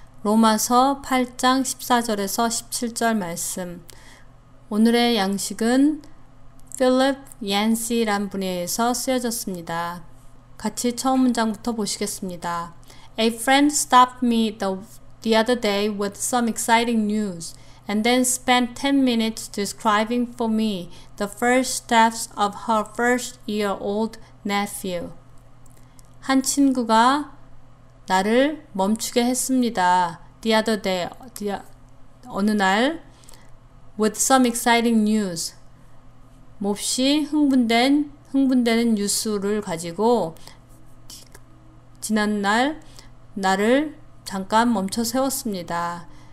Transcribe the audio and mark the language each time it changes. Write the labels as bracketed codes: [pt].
[ko] 로마서 8장 14절에서 17절 말씀. 오늘의 양식은 Philip Yancey란 분에 의해서 쓰여졌습니다. 같이 처음 문장부터 보시겠습니다. [en] A friend stopped me the other day with some exciting news and then spent 10 minutes describing for me the first steps of her first year old nephew. [ko] 한 친구가 나를 멈추게 했습니다. [en] The other day, [ko] 어느 날, [en] with some exciting news. [ko] 몹시 흥분되는 뉴스를 가지고 지난 날 나를 잠깐 멈춰 세웠습니다.